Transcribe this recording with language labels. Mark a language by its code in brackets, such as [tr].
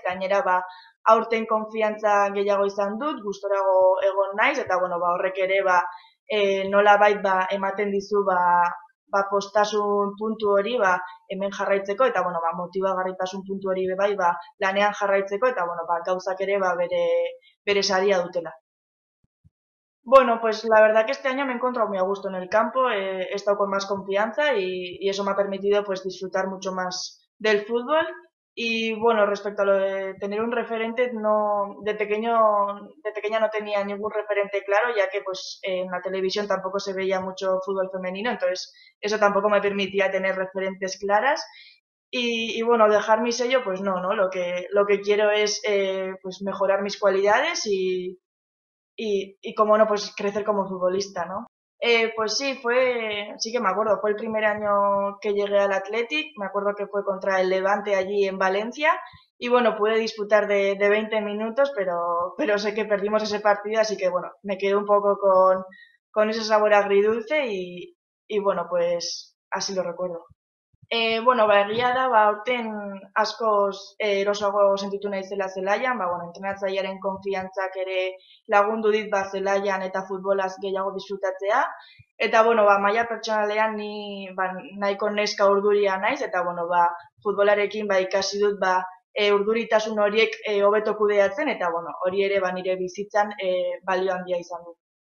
[eu] Gainera, ba, aurten konfiantza gehiago izan dut, gustorago egon naiz, eta bueno, ba, horrek ere ba, nolabait ba, ematen dizu ba, postasun puntu hori ba, hemen jarraitzeko, eta bueno, ba, motibagarritasun puntu hori be bai ba, lanean jarraitzeko, eta bueno, ba, gauzak ere ba, bere saria dutela. [es] Bueno, pues la verdad que este año me he encontrado muy a gusto en el campo, he estado con más confianza y eso me ha permitido pues, disfrutar mucho más del fútbol. Y bueno, respecto a lo de tener un referente, no, de pequeña no tenía ningún referente claro, ya que pues en la televisión tampoco se veía mucho fútbol femenino, entonces eso tampoco me permitía tener referentes claras. Y bueno, dejar mi sello, pues no, ¿no? Lo que quiero es pues mejorar mis cualidades y cómo no, pues crecer como futbolista, ¿no? Pues sí, sí que me acuerdo, fue el primer año que llegué al Athletic, me acuerdo que fue contra el Levante allí en Valencia y bueno, pude disputar de 20 minutos, pero sé que perdimos ese partido, así que bueno, me quedé un poco con ese sabor agridulce y bueno, pues así lo recuerdo. [eu] Bueno, ba, egia da, ba, orten askoz erosoago sentitu nahi zela Zelaian, ba, bueno, entrenatzailearen konfiantzak ere lagundu dit ba, Zelaian eta futbolaz gehiago disfrutatzea. Eta, bueno, ba, maila pertsonalean ni ba, nahiko neska urduria naiz, eta, bueno, ba, futbolarekin ba, ikasi dut ba, urduritasun horiek hobeto kudeatzen, eta, bueno, hori ere ba, nire bizitzan balio handia izan dut.